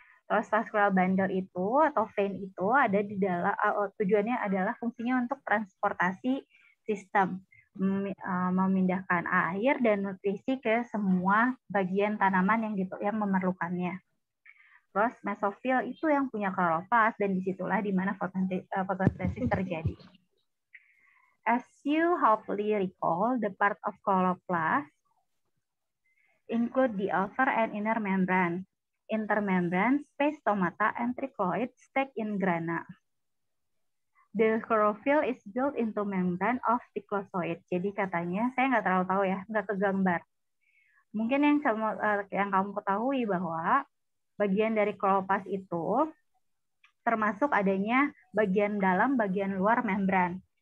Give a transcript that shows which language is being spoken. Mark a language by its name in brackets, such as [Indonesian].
[Indonesian] Terus vascular bundle itu atau vein itu ada di dalam, tujuannya adalah fungsinya untuk transportasi sistem, memindahkan air dan nutrisi ke semua bagian tanaman yang memerlukannya. Terus mesofil itu yang punya kloroplas, dan disitulah di mana fotosintesis terjadi. [English] As you hopefully recall, the part of kloroplas include the outer and inner membrane, intermembrane, space stomata, and trichloid stack in grana. The chlorophyll is built into membrane of trichloid. [Indonesian] Jadi katanya, saya nggak terlalu tahu ya, nggak kegambar. Mungkin yang kamu ketahui bahwa bagian dari kloroplas itu termasuk adanya bagian dalam, bagian luar membran.